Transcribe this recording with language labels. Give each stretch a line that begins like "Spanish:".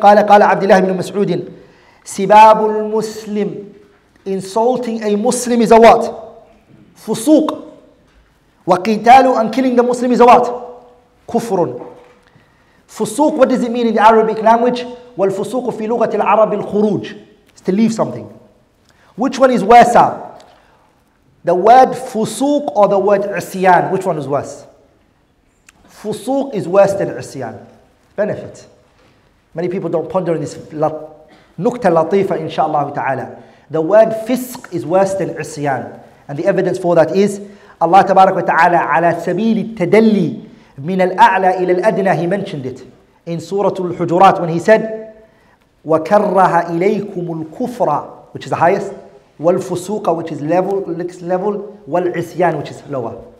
Arabic: Qala Abdullah ibn Mas'udin. Sibabul Muslim.
English: Insulting a Muslim is a what? Fusuq.
Arabic: Wa qitalu
English: and killing the Muslim is a what?
Arabic: كفر.
English: فسوق, what does it mean in the Arabic language?
Arabic: والفسوق في لغة العرب الخروج.
English: It's to leave something. Which one is worse? The word فسوق or the word عصيان? Which one is worse? فسوق is worse than عصيان. Benefit. Many people don't ponder this
Arabic: نكتة لطيفة إن شاء الله تعالى.
English: The word فسق is worse than عصيان. And the evidence for that is Allah
Arabic: تبارك وتعالى على سبيل التدلي من الأعلى إلى الأدنى,
English: he mentioned it in سورة الحجرات when he said
Arabic: وكره إليكم الكفر,
English: which is the highest, والفسوق, which is level, next level, والعصيان, which is lower.